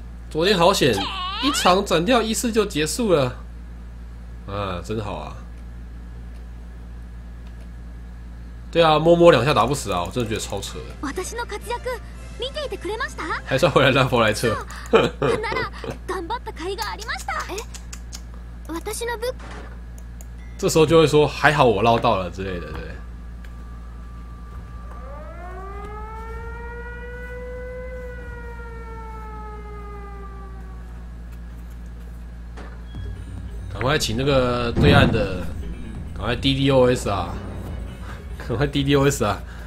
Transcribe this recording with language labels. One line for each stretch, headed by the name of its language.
Chinese: 昨天好险，一场斩掉一次就结束了。啊，真好啊！对啊，摸摸两下打不死啊，我真的觉得超扯的。
Japanese: 私の活躍見ていてくれました？
Chinese: 还算回来拉佛莱彻。
Japanese: なら頑張った甲斐がありました。私の部。
Chinese: 这时候就会说还好我捞到了之类的，对。赶快请那个对岸的，赶快 DDoS 啊！赶快 DDoS 啊！